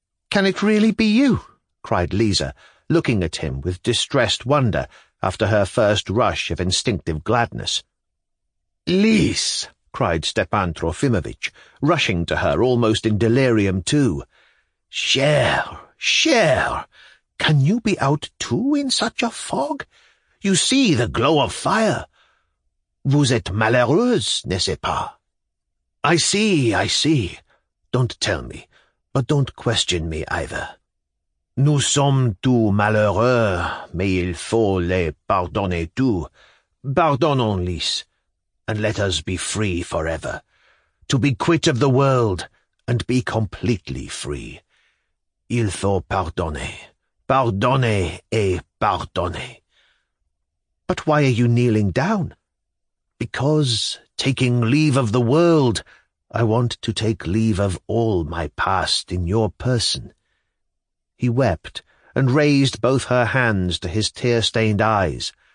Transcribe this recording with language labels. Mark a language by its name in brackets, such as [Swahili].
[English] "Can it really be you?" cried Lisa, looking at him with distressed wonder after her first rush of instinctive gladness. "Lise!" cried Stepan Trofimovitch, rushing to her almost in delirium too. [French] "Cher! Cher! [English] Can you be out too in such a fog? You see the glow of fire. [French] Vous êtes malheureuse, n'est-ce pas?" [English] "I see, I see. Don't tell me, but don't question me either. [French] Nous sommes tous malheureux, mais il faut les pardonner tous. Pardonnons, [English] Lise, and let us be free forever. To be quit of the world and be completely free. [French] Il faut pardonner, pardonner et pardonner." [English] "But why are you kneeling down?" "Because, taking leave of the world, I want to take leave of all my past in your person." He wept, and raised both her hands to his tear-stained eyes.